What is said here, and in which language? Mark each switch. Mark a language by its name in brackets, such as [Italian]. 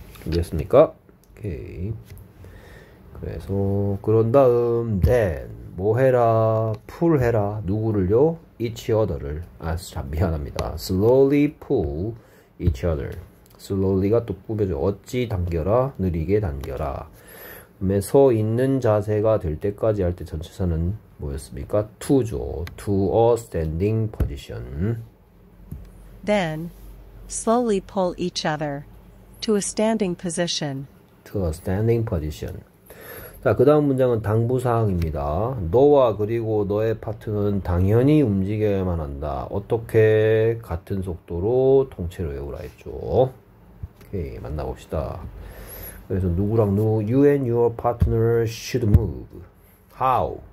[Korean] 됐습니까? 오케이. 그래서 그런 다음 then 뭐 해라, pull 해라. 누구를요? [English] Each other [Korean] 를. 아, 참 미안합니다. [English] Slowly pull each other. [Korean] Slowly가 또 꾸며져. 어찌 당겨라, 느리게 당겨라. 서 있는 자세가 될 때까지 할때 전치사는 뭐였습니까? [English] To죠. To a standing position. Then, slowly pull each other to a standing position. To a standing position. [Korean] 자, 그 다음 문장은 당부 사항입니다. 너와 그리고 너의 파트는 당연히 움직여야만 한다. 어떻게 같은 속도로 통째로 외우라 했죠. 오케이, 만나봅시다. 그래서 누구랑 누구, [English] you and your partner should move. How?